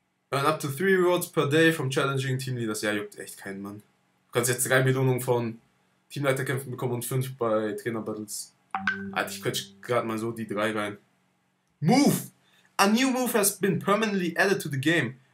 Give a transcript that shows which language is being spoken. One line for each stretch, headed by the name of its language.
English: And up to 3 Rewards per day from Challenging Team Leaders.
German: Ja, juckt echt keinen Mann. Du kannst jetzt 3 Belohnungen von Teamleiterkämpfen bekommen und 5 bei Trainer Battles. Alter, ich quetsche gerade mal so die 3 rein.
English: Move! A new move has been permanently added to the game.